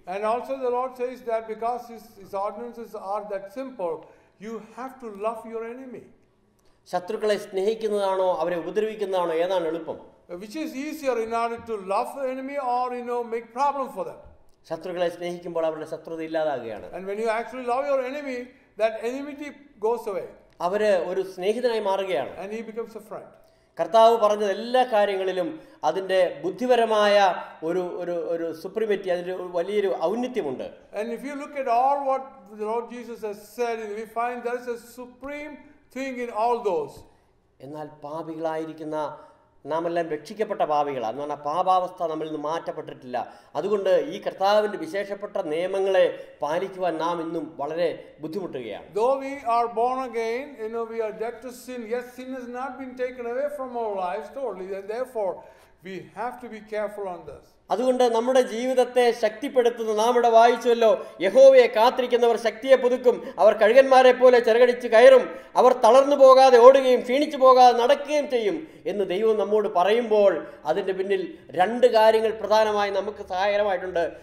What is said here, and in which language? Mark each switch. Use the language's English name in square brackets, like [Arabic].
[English] And also the Lord says that because his ordinances are that simple, you have to love your enemy. [Malayalam] ശത്രുക്കളെ സ്നേഹിക്കുന്നതാണോ അവരെ ഉപദ്രവിക്കുന്നതാണോ ഏതാണ് എളുപ്പം? [English] Which is easier, in order to love the enemy or, you know, make problem for them? [Malayalam] ശത്രുക്കളെ സ്നേഹിക്കുമ്പോൾ അവരുടെ ശത്രുത ഇല്ലാതാകുകയാണ്. [English] And when you actually love your enemy, that enmity goes away. [Malayalam] അവരെ ഒരു സ്നേഹിതനായി മാറുകയാണ്. [English] And he becomes a friend. [Malayalam] കർത്താവ് പറഞ്ഞത് എല്ലാ കാര്യങ്ങളിലും അതിന്റെ ബുദ്ധിപരമായ ഒരു ഒരു ഒരു സുപ്രീമിറ്റി, അതിന്റെ വലിയൊരു ഔന്നത്യമുണ്ട്. [English] And if you look at all what the Lord Jesus has said, we find there is a supreme thing in all those. [Malayalam] എന്നാൽ പാപികളായിരിക്കുന്ന നാമെല്ലാം രക്ഷിക്കപ്പെട്ട പാപികളാണ്. എന്ന് പറഞ്ഞാൽ പാപാവസ്ഥ നമ്മളിൽ നിന്ന് മാറ്റപ്പെട്ടിട്ടില്ല. അതുകൊണ്ട് ഈ കർത്താവിന്റെ വിശേഷപ്പെട്ട നിയമങ്ങളെ പാലിക്കുവാൻ നാം ഇന്നും വളരെ ബുദ്ധിമുട്ടുകയാണ്. [English] Though we are born again, you know, we are dead to sin. Yes, sin has not been taken away from our lives totally. And therefore, we have to be careful on this. [Malayalam] അതുകൊണ്ട് നമ്മുടെ ജീവിതത്തെ ശക്തിപ്പെടുത്തുന്ന, നാം ഇവിടെ വായിച്ചുവല്ലോ, യഹോവയെ കാത്തിരിക്കുന്നവർ ശക്തിയെ പുതുക്കും, അവർ കഴുകന്മാരെ പോലെ ചിറകടിച്ച് കയറും, അവർ തളർന്നു പോകാതെ ഓടുകയും ക്ഷീണിച്ചു പോകാതെ നടക്കുകയും ചെയ്യും എന്ന് ദൈവം നമ്മോട് പറയുമ്പോൾ അതിന്റെ പിന്നിൽ രണ്ട് കാര്യങ്ങൾ പ്രധാനമായി നമുക്ക് സഹായകരമായിട്ടുണ്ട്.